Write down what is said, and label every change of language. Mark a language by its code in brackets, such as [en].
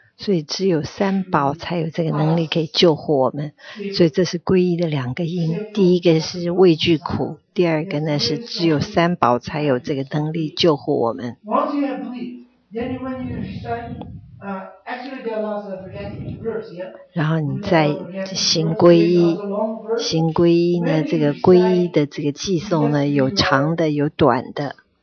[zh] 所以只有三宝才有这个能力可以救护我们，所以这是皈依的两个因。第一个是畏惧苦，第二个呢是只有三宝才有这个能力救护我们。 [en] Once you have belief, then when you recite, actually there are lots of repetitive verse, yeah? [zh] 然后你再行皈依，行皈依呢，这个皈依的这个偈颂呢，有长的，有短的。